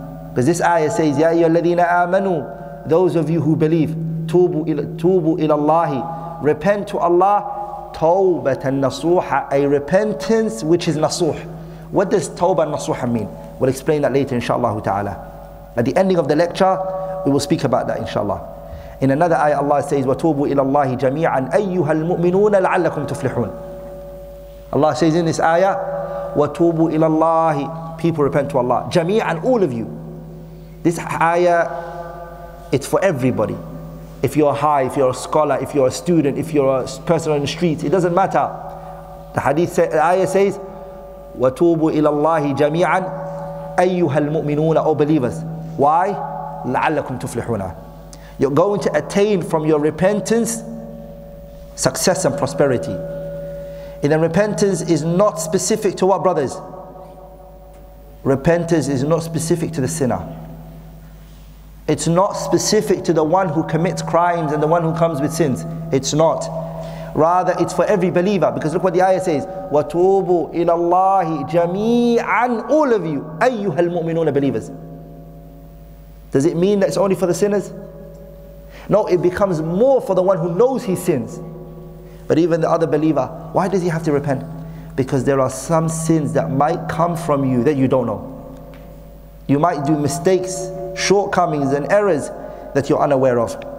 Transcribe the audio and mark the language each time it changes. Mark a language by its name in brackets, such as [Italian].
[English] Because this ayah says, [Arabic] Ya ayyuhal ladhina amanu, [English] those of you who believe, [Arabic] tubu ila Allah, [English] repent to Allah, [Arabic] tawbatan nasuha, [English] a repentance which is nasuh. What does [Arabic] tawbatan nasuha [English] mean? We'll explain that later, inshallah ta'ala. At the ending of the lecture, we will speak about that, inshallah. In another ayah, Allah says, [Arabic] وَتُوبُوا إِلَى اللَّهِ جَمِيعًا أَيُّهَا الْمُؤْمِنُونَ لَعَلَّكُمْ تُفْلِحُونَ. [English] Allah says in this ayah, [Arabic] وَتُوبُوا إِلَى اللَّهِ, [English] people repent to Allah, جَمِيعًا, all of you. This ayah, it's for everybody. If you're high, if you're a scholar, if you're a student, if you're a person on the streets, it doesn't matter. The hadith, say, the ayah says, [Arabic] وَتُوبُوا إِلَى اللَّهِ جَمِيعًا أَيُّهَا الْمُؤْمِنُونَ, [English] all believers. Why? [Arabic] لَعَلَّكُمْ تُفْلِحُونَ. [English] You're going to attain from your repentance success and prosperity. And then repentance is not specific to what, brothers? Repentance is not specific to the sinner. It's not specific to the one who commits crimes and the one who comes with sins. It's not. Rather, it's for every believer. Because look what the ayah says. [Arabic] وَتُوبُوا إِلَى اللَّهِ جَمِيعًا, [English] all of you, [Arabic] أَيُّهَا الْمُؤْمِنُونَ, believers. [English] Does it mean that it's only for the sinners? No, it becomes more for the one who knows his sins. But even the other believer, why does he have to repent? Because there are some sins that might come from you that you don't know. You might do mistakes, shortcomings and errors that you're unaware of.